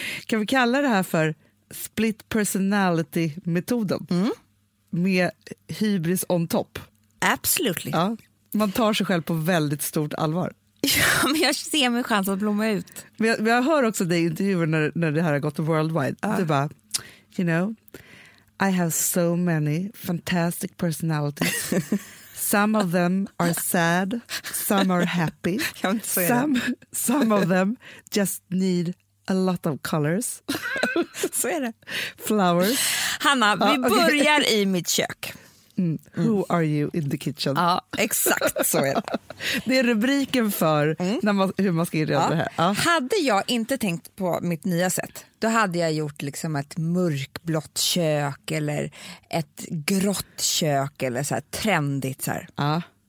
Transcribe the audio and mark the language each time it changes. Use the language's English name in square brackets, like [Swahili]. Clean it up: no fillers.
[Swedish] Kan vi kalla det här för split personality-metoden? Mm. Med hybris [English] on top. [Swedish] Absolut. Ja. Man tar sig själv på väldigt stort allvar. Ja, men jag ser min chans att blomma ut. Men jag hör också dig i intervjuer när det här har gått worldwide. Du bara, [English] you know, I have so many fantastic personalities. Some of them are sad, some are happy. [Swedish] Jag inte säga [English] some of them just need a lot of colors. [Swedish] Så är det. [English] Flowers. [Swedish] Hanna, vi börjar i mitt kök. Mm. [English] Who are you in the kitchen? [Swedish] Ja, exakt så är det. Det är rubriken för hur man ska inreda det här. Ja. Hade jag inte tänkt på mitt nya sätt, då hade jag gjort liksom ett mörkblått kök eller ett grått kök eller så här trendigt. Så här. Ja.